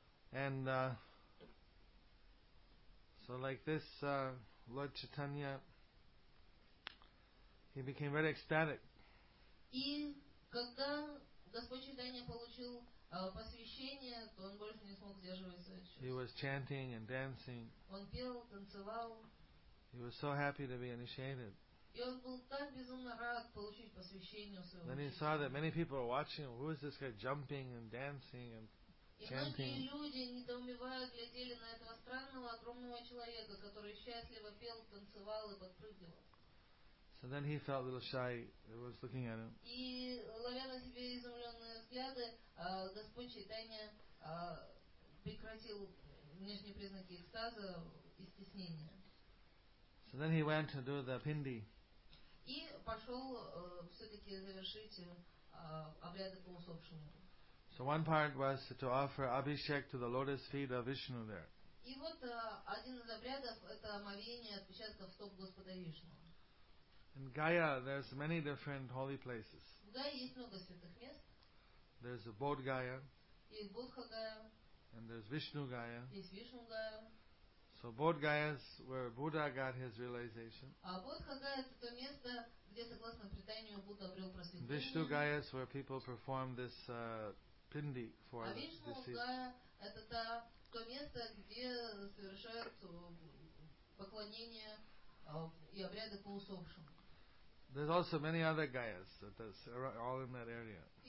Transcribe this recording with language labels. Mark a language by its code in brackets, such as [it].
[en] And so like this, Lord Chaitanya, he became very ecstatic. [ru] И когда Господь Чайтанья получил посвящение, то он больше не смог сдерживать свои чувства. [en] He was chanting and dancing. [ru] Он пел, танцевал. [en] He was so happy to be initiated. [ru] И он был так безумно рад получить посвящение своего. [en] Then he saw that many people are watching. Who is this guy jumping and dancing and chanting? [ru] И многие люди недоумевая глядели на этого странного огромного человека, который счастливо пел, танцевал и подпрыгивал. [en] So then he felt a little shy. He was looking at him. [ru] И ловя на себе изумленные взгляды, Господь Чайтанья прекратил внешние признаки экстаза и стеснения. [en] So then he went to do the пинди. [ru] И пошел все-таки завершить обряды по усопшему. [en] So one part was to offer abhishek to the lotus feet of Vishnu there. [ru] И вот один из обрядов это омовение отпечатков стоп Господа Вишну. [en] In Gaya, there's many different holy places. [ru] В Гае есть много святых мест. [en] There's a Bodh Gaya. [ru] Есть Бодха Гая. [en] And there's Vishnu Gaya. [ru] Есть Вишну Гая. [en] So Bodh Gaya is where Buddha got his realization. [ru] А Бодха Гая это то место, где согласно преданию Будда обрел просветление. [en] Vishnu Gaya is where people perform this pindi for the deceased. [ru] А Вишну Гая это то место, где совершают поклонение. [en] There's also many other Gayas that's all in that area.